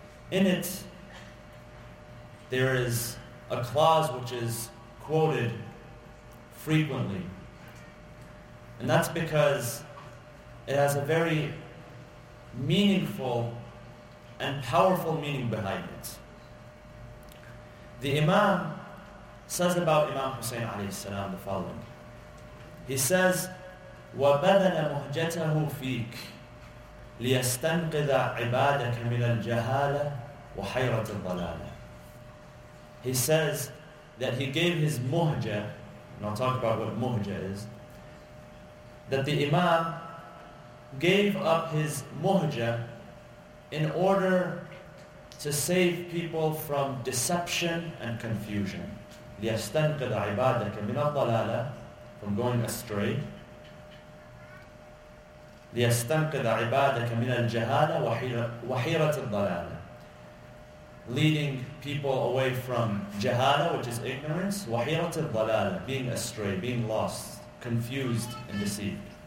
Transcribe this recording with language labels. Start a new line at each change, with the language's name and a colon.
English: In it, there is a clause which is quoted frequently. And that's because it has a very meaningful and powerful meaning behind it. The Imam says about Imam Hussein alayhi salam the following. He says,
Arabic: وَبَذَلَ مُهْجَتَهُ فِيكَ لِيَسْتَنْقِذَ عِبَادَكَ مِنَ الْجَهَالَةِ وَحَيْرَةِ الضَّلَالَةِ.
English: He says that he gave his muhja, and I'll talk about what muhja is, that the Imam gave up his muhja in order to save people from deception and confusion.
Arabic: لِيَسْتَنْقِذَ عِبَادَكَ مِنَ الضَّلَالَةِ,
English: from going astray.
Arabic: لِيَسْتَنْقِذَ عِبَادَكَ مِنَ الْجَهَالَةِ وَحِيرَةِ الضَّلَالَةِ,
English: leading people away from jahala, which is ignorance,
Arabic: وَحِيرَةَ الضَّلَالَةِ,
English: being astray, being lost, confused and deceived.